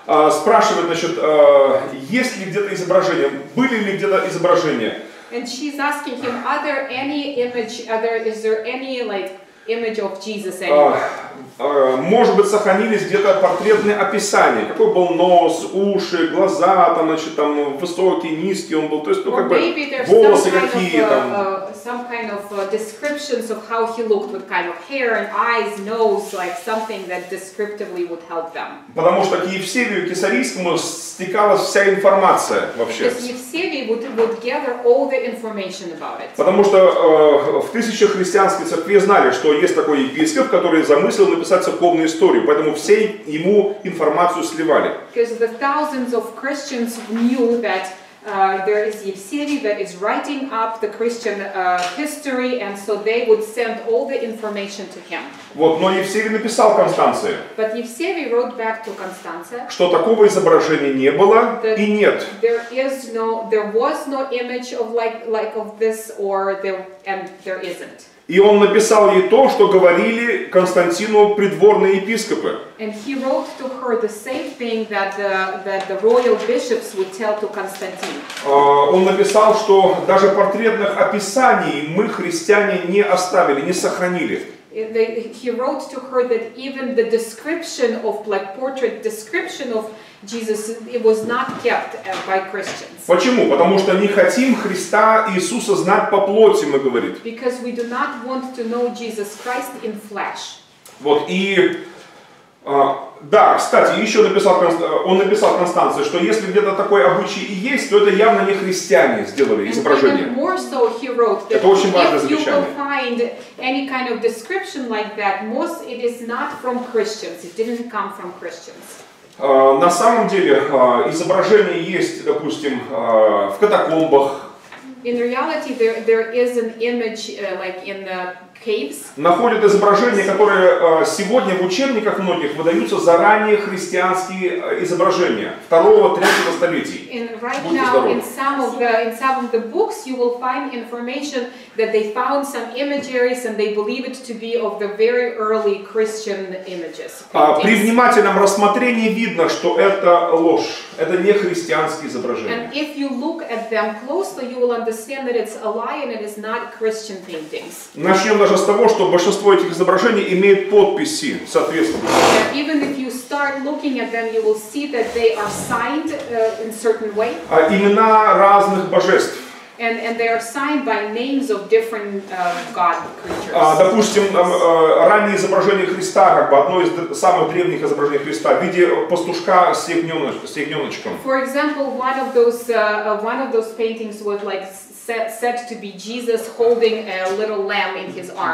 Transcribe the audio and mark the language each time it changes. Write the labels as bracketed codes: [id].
[ru] Спрашивает, значит, есть ли где-то изображения, были ли где-то изображения. [en] And she's asking him, are there any image, is there any, like, image of Jesus anywhere? [ru] Может быть, сохранились где-то портретные описания. Какой был нос, уши, глаза, там, значит, там, высокий, низкий он был. То есть, ну, как бы, волосы какие там. [en] Some kind of descriptions of how he looked, what kind of hair and eyes, nose, like something that descriptively would help them. [ru] Потому что к Евсевию Кесарийскому стекалась вся информация вообще. [en] Because Евсевий would gather all the information about it. [ru] Потому что в тысячи христианской церкви знали, что есть такой епископ, который замыслил написать церковную историю, поэтому все ему информацию сливали. [en] Because the thousands of Christians knew that there is Yevsevi that is writing up the Christian history, and so they would send all the information to him. [ru] Вот, но Евсевий написал Констанции. [en] But Yevsevi wrote back to Constanze. [ru] Что такого изображения не было и нет. [en] There is no, there was no image of like of this or there, and there isn't. [ru] И он написал ей то, что говорили Константину придворные епископы. [en] And he wrote to her the same thing that the royal bishops would tell to Constantine. [ru] Он написал, что даже портретных описаний мы христиане не оставили, не сохранили. [en] He wrote to her that even the description of like portrait description of Jesus, it was not kept by Christians. [ru] Почему? Потому что не хотим Христа Иисуса знать по плоти, мы говорим. [en] Because we do not want to know Jesus Christ in flesh. [ru] Вот, и да, кстати, еще написал он написал Констанции, что если где-то такое обычай и есть, то это явно не христиане сделали изображение. [en] And even more so, he wrote that [ru] это очень важное замечание. [en] If you will find any kind of description like that, most it is not from Christians. It didn't come from Christians. [ru] На самом деле, изображение есть, допустим, в катакомбах. [en] In reality, there is an image like in the caves. [ru] Находят изображения, которые сегодня в учебниках многих выдаются за ранние христианские изображения второго, третьего столетий. [en] In right now, in some of the books, you will find information that they found some imagery and they believe it to be of the very early Christian images. [ru] При внимательном рассмотрении видно, что это ложь, это не христианские изображения. [en] And if you look at them closely, you will understand that it's a lie and it is not Christian paintings. [ru] Начнем даже с того, что большинство этих изображений имеет подписи, соответственно. [en] Even if you start looking at them, you will see that they are signed in certain way. [ru] Имена разных божеств. [en] And they are signed by names of different god creatures. [ru] Допустим, раннее изображение Христа, как бы одно из самых древних изображений Христа, в виде пастушка с ягненочком. [en] For example, one of those paintings was like said to be Jesus holding a little lamb in his arms.